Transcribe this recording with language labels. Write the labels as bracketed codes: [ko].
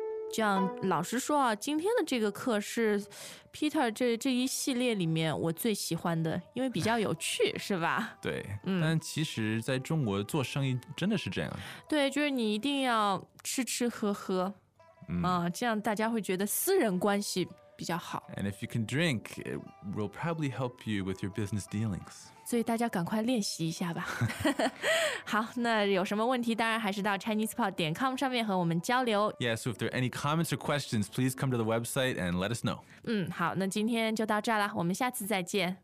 [zh] 像老实说啊，今天的这个课是 Peter 这一系列里面我最喜欢的，因为比较有趣，是吧？对，但其实在中国做生意真的是这样。对，就是你一定要吃吃喝喝，这样大家会觉得私人关系比较好。 [en] And if you can drink, it will probably help you with your business dealings. [zh] 所以大家赶快练习一下吧。好，那有什么问题当然还是到 ChinesePod.com 上面和我们交流。 [en] Yeah, so if there are any comments or questions, please come to the website and let us know. [zh] 好，那今天就到这了，我们下次再见。